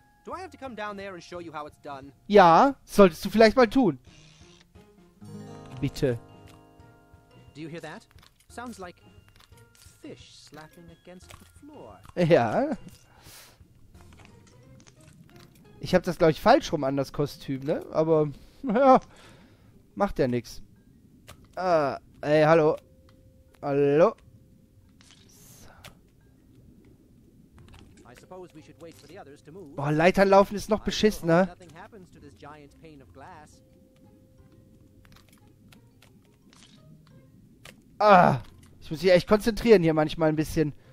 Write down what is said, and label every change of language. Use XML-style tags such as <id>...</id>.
<en>Do I have to come down there and show you how it's done?</en> <de>Ja, solltest du vielleicht mal tun. Bitte.</de> <en>Do you hear that? Sounds like fish slapping against the floor.</en> <de>Ja. Ich habe das glaube ich falsch rum an das Kostüm, ne? Aber ja, macht ja nichts. Ey, hallo. Hallo.</de> <en>suppose we should wait for the others to move.</en> <de>Boah, Leitern laufen ist noch beschissener.</de> <en>Nothing happens to this giant pane of glass.</en> <de>Ah, ich muss mich echt konzentrieren hier manchmal ein bisschen.</de>